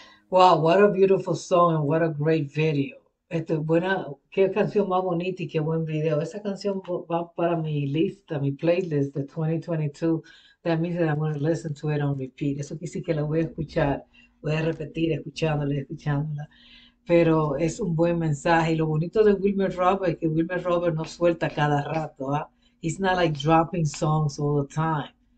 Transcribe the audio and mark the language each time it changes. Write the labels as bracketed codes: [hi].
[en] Wow, what a beautiful song and what a great video. [es] Esto es buena, qué canción más bonita y qué buen video. Esa canción va para mi lista, mi playlist de 2022. [en] That means that I'm going to listen to it on repeat. [es] Eso que sí que la voy a escuchar, voy a repetir escuchándola y escuchándola. Pero es un buen mensaje. Y lo bonito de Wilmer Robert es que Wilmer Robert no suelta cada rato, ¿ah? [en] He's not like dropping songs all the time.